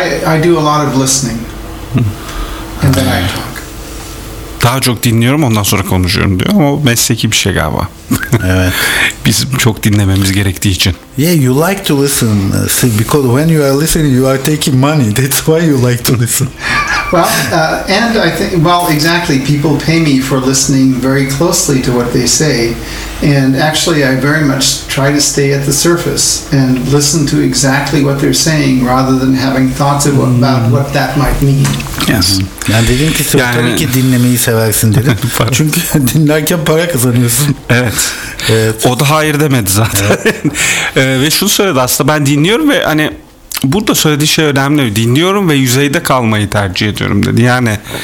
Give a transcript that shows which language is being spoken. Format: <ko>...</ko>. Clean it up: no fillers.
<en>I do a lot of listening and then I talk.</en> <tr>Daha çok dinliyorum ondan sonra konuşuyorum diyor ama mesleki bir şey galiba. Evet. Biz çok dinlememiz gerektiği için.</tr> <en>Yeah, you like to listen. See, because when you are listening, you are taking money. That's why you like to listen. Well, and I think, well, exactly. People pay me for listening very closely to what they say. And actually, I very much try to stay at the surface and listen to exactly what they're saying rather than having thoughts about, about what that might mean. Yes.</en> <tr>Yani dedim ki, sen yani, tabii ki dinlemeyi seversin dedim. Çünkü dinlerken para kazanıyorsun. Evet. Evet. O da hayır demedi zaten. Evet. ve şunu söyledi aslında, ben dinliyorum ve hani burada söylediği şey önemli. Dinliyorum ve yüzeyde kalmayı tercih ediyorum dedi. Yani</tr>